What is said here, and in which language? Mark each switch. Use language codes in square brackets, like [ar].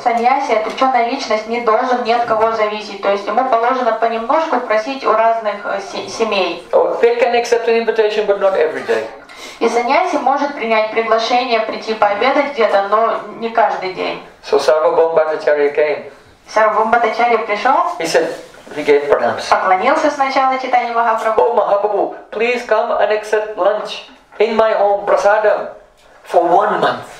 [ru] Саньяси, это ученая личность, не должен ни от кого зависеть. То есть ему положено понемножку просить у разных семей. [en] Oh, they can accept an invitation, but not every day. [ru] И саньяси может принять приглашение прийти пообедать где-то, но не каждый день. [en] So Sarvabhauma Bhattacharya came. [ru] Sarvabhauma Bhattacharya пришел. [en] He said, he gave pranams. [ru] Поклонился сначала читанию Махапрабху. [en] Oh, Mahaprabhu, please come and accept lunch in my home, prasadam. For 1 month.